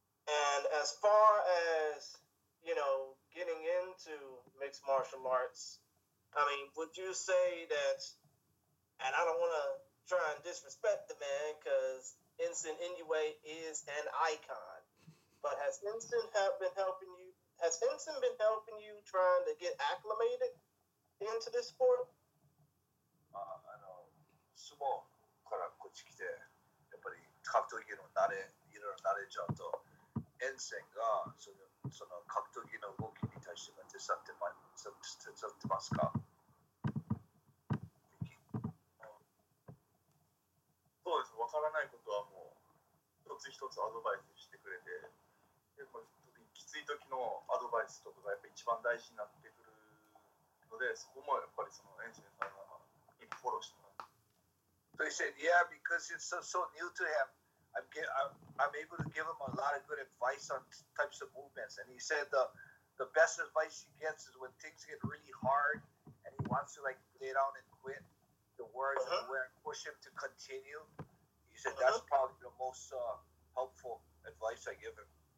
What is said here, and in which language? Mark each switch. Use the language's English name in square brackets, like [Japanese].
[English] And as far as, you know, getting into mixed martial arts, I mean, would you say that, and I don't want to try and disrespect the man, because Ensign Inoue is an icon, but has Ensign been helping you trying to get acclimated into this sport? [Japanese] スモーからこっち来て、やっぱり格闘技の慣れ、いろいろ慣れちゃうと、エンセンがその格闘技の動きに対しても手伝ってますか？そうです、分からないことはもう、一つ一つアドバイスしてくれて、でも特にきつい時のアドバイスとかがやっぱ一番大事になってくるので、そこもやっぱりそのエンセンさんがフォローしてます。 [English] So he said, yeah, because it's so new to him, I'm able to give him a lot of good advice on types of movements. And he said the best advice he gets is when things get really hard and he wants to, like, lay down and quit, the words uh-huh. where push him to continue. He said uh-huh. that's probably the most helpful advice I give him.